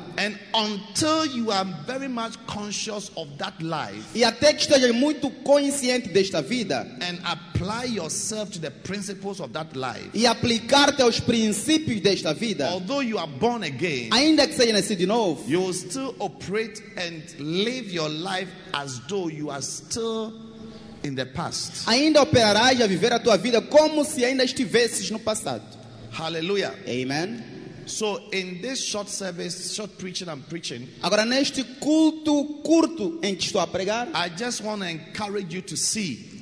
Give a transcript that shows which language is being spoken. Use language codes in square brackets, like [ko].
[en] And until you are very much conscious of that life, [pt] e até que esteja muito consciente desta vida, [en] and apply yourself to the principles of that life, [pt] e aplicar-te aos princípios desta vida, [en] although you are born again, [pt] ainda que seja nascido de novo, [en] you will still operate and live your life as though you are still in the past. [pt] Ainda operarás a viver a tua vida como se ainda estivesses no passado. Hallelujah. Amen. [en] So in this short service, short preaching I'm preaching, [pt] agora neste culto curto em que estou a pregar, [en] I just want to encourage you to see,